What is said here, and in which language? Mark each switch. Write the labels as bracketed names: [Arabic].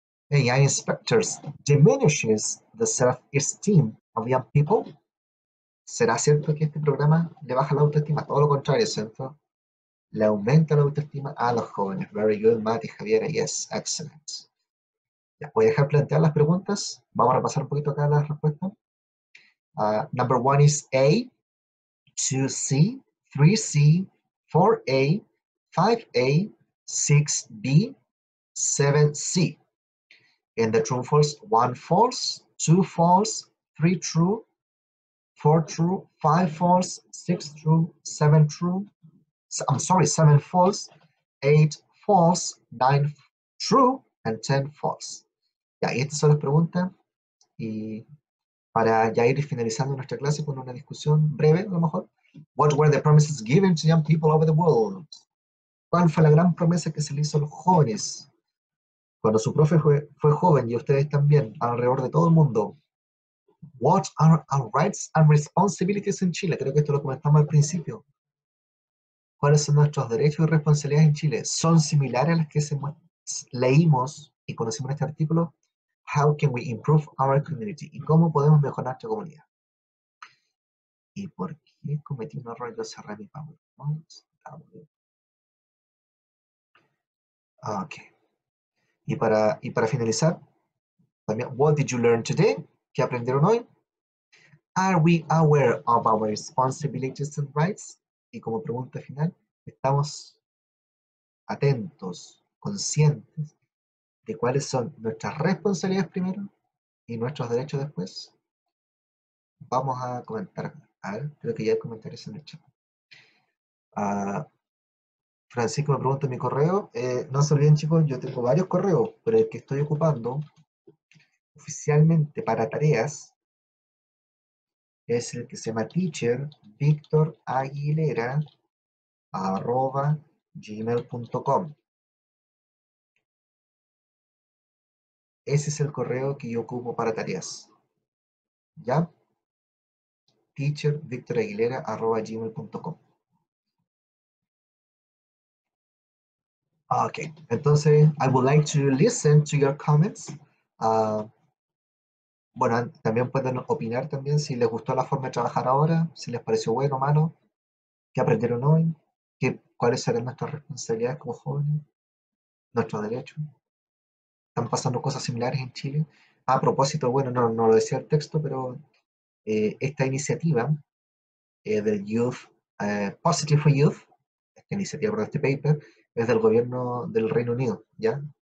[English] AI inspectors diminishes the self-esteem of young people. [Spanish] ¿Será cierto que este programa le baja la autoestima? Todo lo contrario, ¿cierto? Le aumenta la autoestima a los jóvenes. [English] Very good, Mati, Javier. Yes, excellent. [Spanish] ¿Ya puede dejar plantear las preguntas? Vamos a repasar un poquito acá las respuestas. [English] Number one is A. 2C. 3C, 4A, 5A, 6B, 7C. In the true false, 1 false, 2 false, 3 true, 4 true, 5 false, 6 true, 7 true, I'm sorry, 7 false, 8 false, 9 true, and 10 false. [Spanish] Ya, y estas son las preguntas. Y para ya ir finalizando nuestra clase con una discusión breve, a lo mejor. [English] What were the promises given to young people over the world? [Spanish] ¿Cuál fue la gran promesa que se le hizo a los jóvenes? Cuando su profe fue joven y ustedes también, alrededor de todo el mundo. [English] What are our rights and responsibilities in Chile? [Spanish] Creo que esto lo comentamos al principio. ¿Cuáles son nuestros derechos y responsabilidades en Chile? ¿Son similares a las que leímos y conocimos en este artículo? [English] How can we improve our community? [Spanish] ¿Y cómo podemos mejorar nuestra comunidad? ¿Y por qué? Y cometí un error, yo cerré mi PowerPoint. Y para finalizar, también, [English] what did you learn today? [Spanish] ¿Qué aprendieron hoy? [English] Are we aware of our responsibilities and rights? [Spanish] Y como pregunta final, ¿estamos atentos, conscientes de cuáles son nuestras responsabilidades primero y nuestros derechos después? Vamos a comentar. A ver, creo que ya hay comentarios en el chat. Francisco me pregunta mi correo. No se olviden, chicos, yo tengo varios correos, pero el que estoy ocupando oficialmente para tareas es el que se llama teacher Víctor Aguilera arroba gmail.com. Ese es el correo que yo ocupo para tareas. ¿Ya? Teacher Víctor Aguilera arroba gmail.com. [English] Okay, entonces, I would like to listen to your comments. [Spanish] Bueno, también pueden opinar también si les gustó la forma de trabajar ahora, si les pareció bueno o malo, qué aprendieron hoy, cuáles serán nuestras responsabilidades como jóvenes, nuestros derechos. Están pasando cosas similares en Chile. A propósito, bueno, no lo decía el texto, pero esta iniciativa del Youth, Positive for Youth, esta iniciativa por este paper, es del gobierno del Reino Unido, ¿ya?